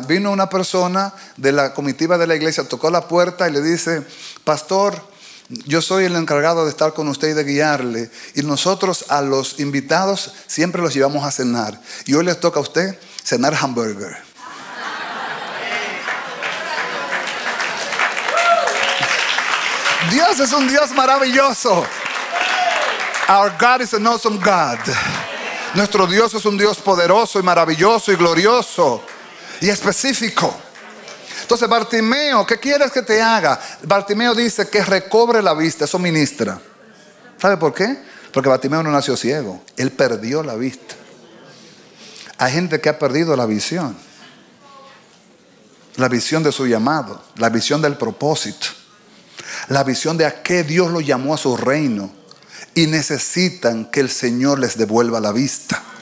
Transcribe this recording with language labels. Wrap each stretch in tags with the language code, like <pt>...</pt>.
<es>Vino una persona de la comitiva de la iglesia, tocó la puerta y le dice, pastor, yo soy el encargado de estar con usted y de guiarle. Y nosotros a los invitados siempre los llevamos a cenar. Y hoy les toca a usted cenar hamburger. Dios es un Dios maravilloso.</es> <en>Our God is an awesome God.</en> <es>Nuestro Dios es un Dios poderoso y maravilloso y glorioso y específico. Entonces, Bartimeo, ¿qué quieres que te haga? Bartimeo dice que recobre la vista, eso ministra. ¿Sabe por qué? Porque Bartimeo no nació ciego, él perdió la vista. Hay gente que ha perdido la visión de su llamado, la visión del propósito, la visión de a qué Dios lo llamó a su reino y necesitan que el Señor les devuelva la vista.</es>